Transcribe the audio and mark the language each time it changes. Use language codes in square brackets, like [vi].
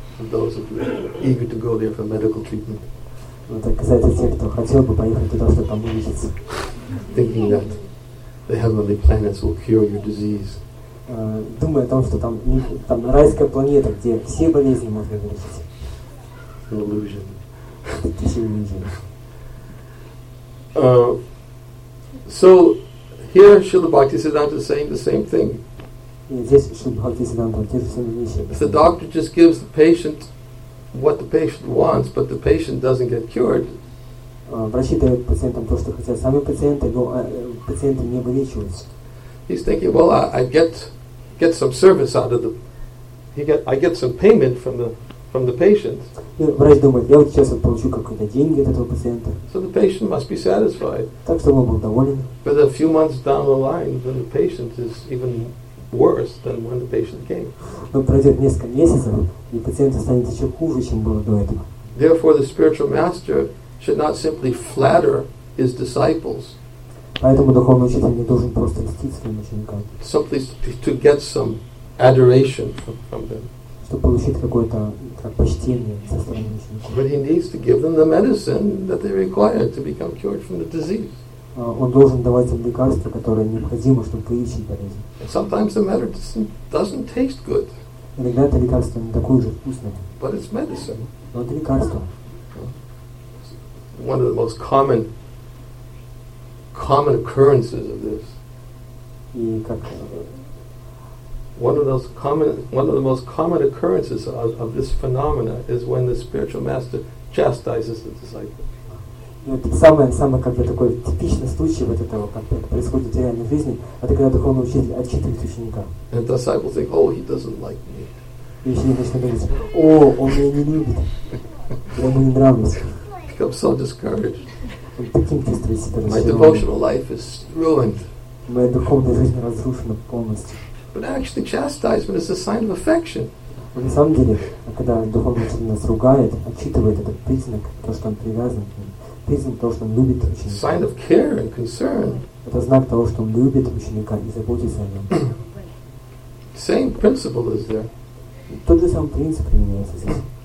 [en] Those who are eager to go there for medical treatment. [ru] Вот так касается тех, кто хотел бы поехать туда, чтобы там вылечиться. [en] Thinking that the heavenly planets will cure your disease. [ru] Думая о том, что там райская планета, где все болезни можно вылечить. [en] An illusion. It's an illusion. So here Śrīla Bhaktisiddhānta is saying the same thing. If the doctor just gives the patient what the patient wants, but the patient doesn't get cured, he's thinking, well, I get some service out of the, I get some payment from the patient. So the patient must be satisfied. But a few months down the line, then the patient is even worse than when the patient came. [ru] Но пройдет несколько месяцев, и пациент станет еще хуже, чем было до этого. [en] Therefore, the spiritual master should not simply flatter his disciples. [ru] Поэтому духовный учитель не должен просто льстить своим ученикам. [en] Simply to get some adoration from them. [ru] Чтобы получить какое-то как почтение со стороны ученика. [en] But he needs to give them the medicine that they require to become cured from the disease. [ru] Он должен давать им лекарства, которые необходимы, чтобы вылечить болезнь. [en] Sometimes the medicine doesn't taste good. [ru] Иногда это лекарство не такое же вкусное. [en] But it's medicine. [ru] Но это лекарство. [en] One of the most common occurrences of this. [ru] И как? [en] One of the most common occurrences of this phenomena is when the spiritual master chastises the disciple. [ru] Это самое как бы такой типичный случай вот этого, как это происходит в реальной жизни, это когда духовный учитель отчитывает ученика. [en] And the disciples think, oh, he doesn't like me. [ru] И ученик начинает говорить, о, он меня не любит, я ему не нравлюсь. [en] Become so discouraged. [ru] Он таким чувствует себя. [en] My devotional life is ruined. [ru] Моя духовная жизнь разрушена полностью. [en] But actually, chastisement is a sign of affection. [ru] Но на самом деле, когда духовный учитель нас ругает, отчитывает этот признак, то, что он привязан к нему. [en] Sign of care and concern. [ru] Это знак того, что он любит ученика и заботится о нем. [en] Same principle is there. [ru] Тот же самый принцип применяется здесь.